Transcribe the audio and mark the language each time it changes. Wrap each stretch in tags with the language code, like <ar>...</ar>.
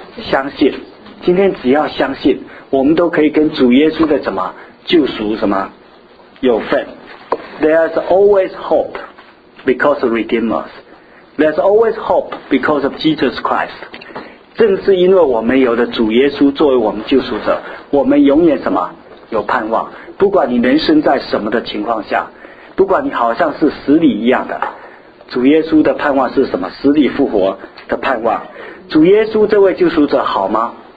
<zh>相信。今天只要相信，我们都可以跟主耶稣的什么救赎什么有份。</zh> <en>There is always hope because of Redeemers. There is always hope because of Jesus Christ.</en> <zh>正是因为我们有了主耶稣作为我们救赎者，我们永远什么有盼望。不管你人生在什么的情况下，不管你好像是死里一样的，主耶稣的盼望是什么？死里复活的盼望。主耶稣这位救赎者好吗？</zh>